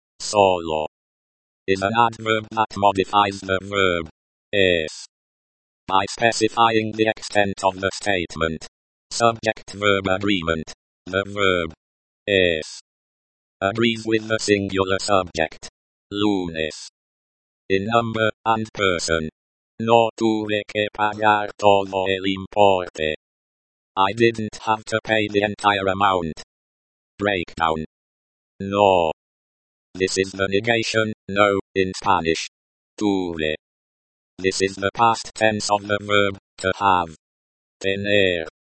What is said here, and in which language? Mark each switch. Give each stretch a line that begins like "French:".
English: Solo. Is an adverb that modifies the verb. Es. by specifying the extent of the statement. Subject-verb agreement. The verb is agrees with the singular subject, lunes, in number and person.
Spanish: No tuve que pagar todo el importe.
English: I didn't have to pay the entire amount. Breakdown. No. This is the negation, no, in Spanish. Tuve. This is the past tense of the verb, to have. Tener.